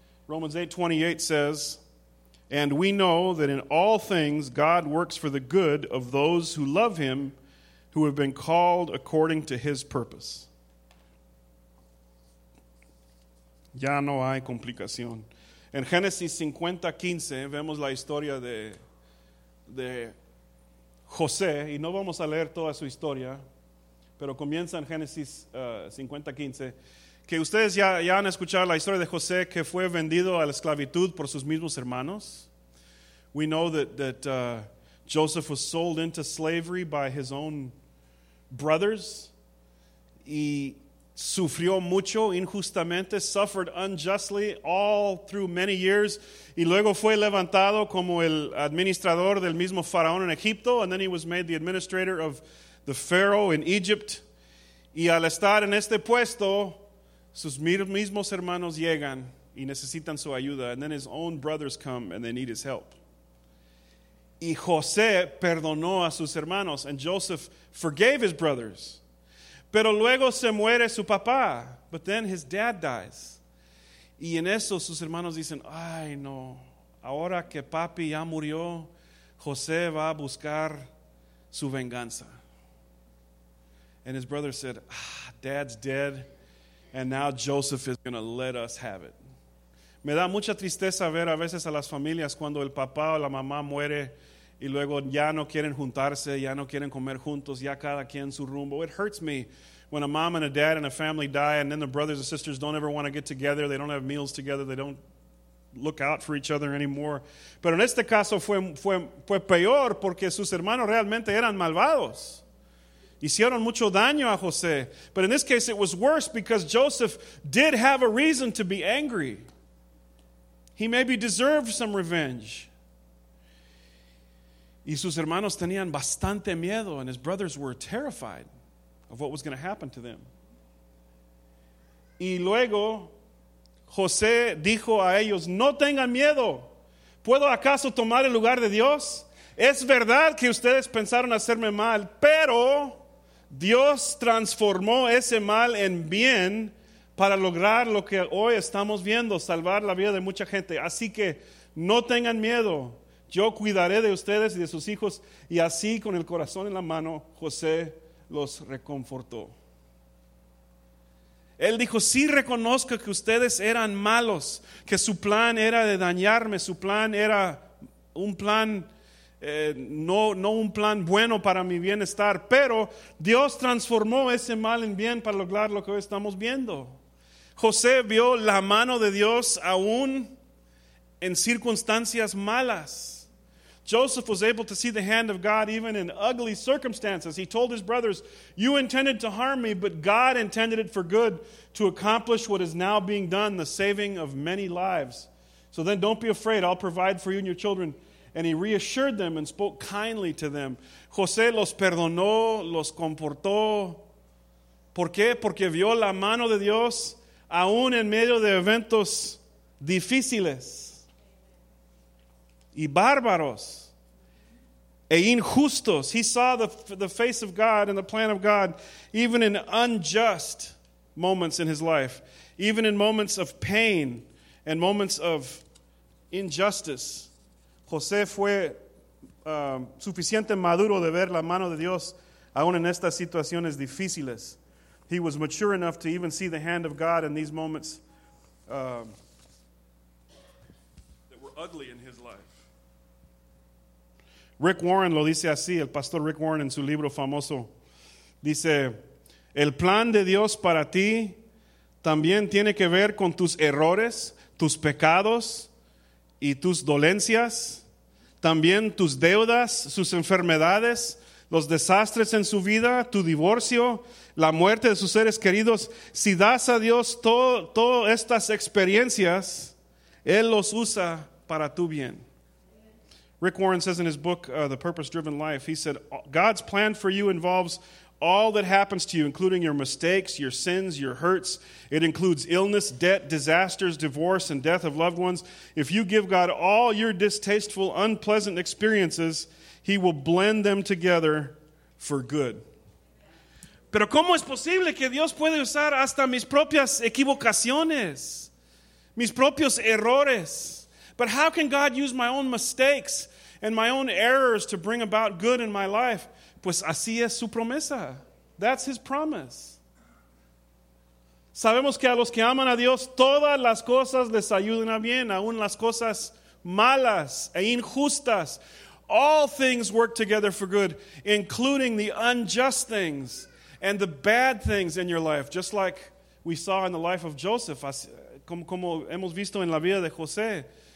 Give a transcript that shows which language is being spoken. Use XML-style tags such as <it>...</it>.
<en>Romans 8:28 says, and we know that in all things God works for the good of those who love him, who have been called according to his purpose.</en> <es>Ya no hay complicación. En Génesis 50:15 vemos la historia de José, y no vamos a leer toda su historia, pero comienza en Génesis 50:15, que ustedes ya han escuchado la historia de José, que fue vendido a la esclavitud por sus mismos hermanos.</es> <en>We know that Joseph was sold into slavery by his own brothers,</en> <es>y sufrió mucho injustamente,</es> <en>suffered unjustly all through many years,</en> <es>y luego fue levantado como el administrador del mismo faraón en Egipto,</es> <en>and then he was made the administrator of the Pharaoh in Egypt.</en> <es>Y al estar en este puesto, sus mismos hermanos llegan y necesitan su ayuda.</es> <en>And then his own brothers come and they need his help.</en> <es>Y José perdonó a sus hermanos.</es> <en>And Joseph forgave his brothers.</en> <es>Pero luego se muere su papá.</es> <en>But then his dad dies.</en> <es>Y en eso sus hermanos dicen, ay no, ahora que papi ya murió, José va a buscar su venganza.</es> <en>And his brother said, ah, dad's dead, and now Joseph is going to let us have it.</en> <es>Me da mucha tristeza ver a veces a las familias cuando el papá o la mamá muere y luego ya no quieren juntarse, ya no quieren comer juntos, ya cada quien su rumbo.</es> <en>It hurts me when a mom and a dad and a family die and then the brothers and sisters don't ever want to get together, they don't have meals together, they don't look out for each other anymore.</en> <es>Pero en este caso fue peor porque sus hermanos realmente eran malvados. Hicieron mucho daño a José.</es> <en>But in this case, it was worse because Joseph did have a reason to be angry. He maybe deserved some revenge.</en> <es>Y sus hermanos tenían bastante miedo,</es> <en>and his brothers were terrified of what was going to happen to them.</en> <es>Y luego, José dijo a ellos, no tengan miedo. ¿Puedo acaso tomar el lugar de Dios? Es verdad que ustedes pensaron hacerme mal, pero Dios transformó ese mal en bien para lograr lo que hoy estamos viendo, salvar la vida de mucha gente. Así que no tengan miedo, yo cuidaré de ustedes y de sus hijos. Y así, con el corazón en la mano, José los reconfortó. Él dijo, sí reconozco que ustedes eran malos, que su plan era de dañarme, su plan era un plan no un plan bueno para mi bienestar, pero Dios transformó ese mal en bien para lograr lo que hoy estamos viendo. José vio la mano de Dios aún en circunstancias malas.</es> <en>Joseph was able to see the hand of God even in ugly circumstances. He told his brothers, "You intended to harm me, but God intended it for good to accomplish what is now being done, the saving of many lives. So then don't be afraid, I'll provide for you and your children." And he reassured them and spoke kindly to them.</en> <es>José los perdonó, los comportó. ¿Por qué? Porque vio la mano de Dios aún en medio de eventos difíciles y bárbaros e injustos.</es> <en>He saw the face of God and the plan of God even in unjust moments in his life, even in moments of pain and moments of injustice.</en> <es>José fue suficiente maduro de ver la mano de Dios aún en estas situaciones difíciles.</es> <en>He was mature enough to even see the hand of God in these moments that were ugly in his life.</en> <es>Rick Warren lo dice así, el pastor Rick Warren en su libro famoso. Dice, el plan de Dios para ti también tiene que ver con tus errores, tus pecados y tus dolencias. También tus deudas, sus enfermedades, los desastres en su vida, tu divorcio, la muerte de sus seres queridos. Si das a Dios todas estas experiencias, Él los usa para tu bien.</es> <en>Rick Warren says in his book, The Purpose-Driven Life, he said, God's plan for you involves all that happens to you, including your mistakes, your sins, your hurts. It includes illness, debt, disasters, divorce, and death of loved ones. If you give God all your distasteful, unpleasant experiences, He will blend them together for good.</en> <es>Pero ¿cómo es posible que Dios puede usar hasta mis propias equivocaciones, mis propios errores?</es> <en>But how can God use my own mistakes and my own errors to bring about good in my life?</en> <es>Pues así es su promesa.</es> <en>That's His promise.</en> <es>Sabemos que a los que aman a Dios, todas las cosas les ayudan a bien, aun las cosas malas e injustas.</es> <en>All things work together for good, including the unjust things and the bad things in your life, just like we saw in the life of Joseph,</en> <es>como hemos visto en la vida de José.</es>